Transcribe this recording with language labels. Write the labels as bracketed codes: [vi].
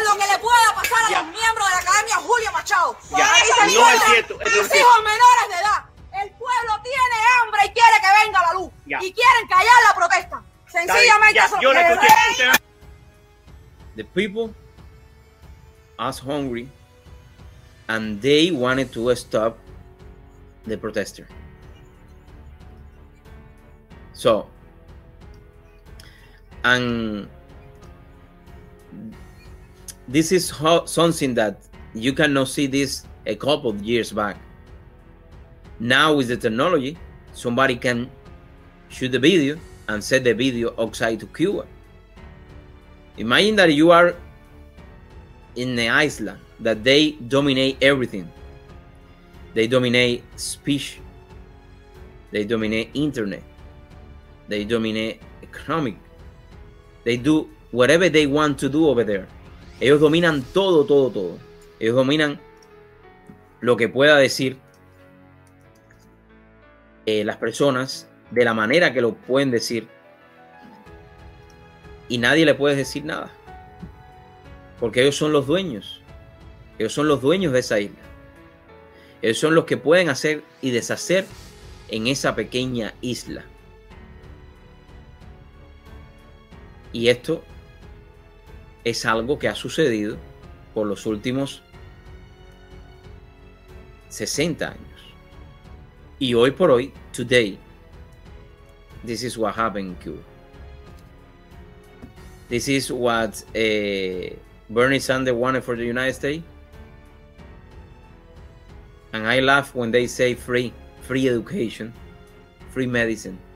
[es] Por lo que le pueda pasar a los miembros de la Academia Julio Machado. Ya, no es cierto. Mis hijos menores de edad. El pueblo tiene hambre y quiere que venga la luz. Ya. Y quieren callar la protesta. Sencillamente eso. [en] The people are hungry and they wanted to stop the protester. So, and this is something that you cannot see this a couple of years back. Now with the technology, somebody can shoot the video and send the video outside to Cuba. Imagine that you are in the island, that they dominate everything. They dominate speech. They dominate internet. They dominate economic. They do whatever they want to do over there. [es] Ellos dominan todo, todo, todo. Ellos dominan lo que pueda decir las personas de la manera que lo pueden decir. Y nadie le puede decir nada. Porque ellos son los dueños. Ellos son los dueños de esa isla. Ellos son los que pueden hacer y deshacer en esa pequeña isla. Y esto es algo que ha sucedido por los últimos 60 años. Y hoy por hoy, [en] today, this is what happened in Cuba. This is what Bernie Sanders wanted for the United States. And I laugh when they say free, free education, free medicine.